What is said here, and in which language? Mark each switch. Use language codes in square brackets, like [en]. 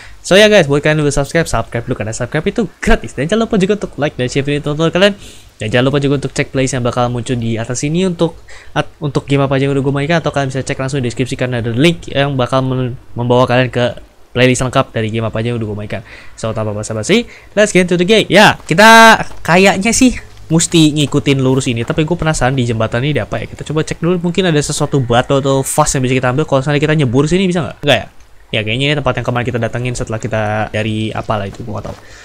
[en] So ya guys, [id] buat kalian yang udah subscribe, subscribe dulu karena subscribe itu gratis. Dan jangan lupa juga untuk like dan share video tonton kalian. Dan jangan lupa juga untuk cek playlist yang bakal muncul di atas sini untuk game apa aja yang udah gue mainkan, atau kalian bisa cek langsung di deskripsi karena ada link yang bakal membawa kalian ke playlist lengkap dari game apa aja yang udah gue mainkan. [en] So, [id] tanpa basa-basi, [en] let's get into the game. [id] Ya, yeah, kita kayaknya sih mesti ngikutin lurus ini. Tapi gue penasaran di jembatan ini ada apa ya. Kita coba cek dulu, mungkin ada sesuatu batu atau vas yang bisa kita ambil. Kalau misalnya kita nyebur sini, bisa nggak? Nggak ya? Ya, kayaknya ini tempat yang kemarin kita datengin setelah kita dari apalah itu, gue nggak tahu.